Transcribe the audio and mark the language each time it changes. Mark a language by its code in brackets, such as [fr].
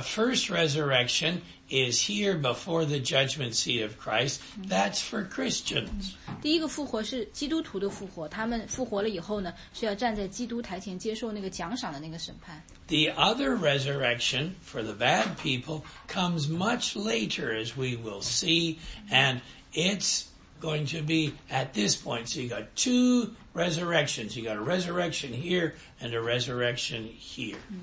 [en] first resurrection is here before the judgment seat of Christ. That's for Christians. [zh] 第一个复活是基督徒的复活，他们复活了以后呢，是要站在基督台前接受那个奖赏的那个审判。The [en] other resurrection for the bad people comes much later, as we will see, and it's going to be at this point. So you got two resurrections. You got a resurrection here and a resurrection here.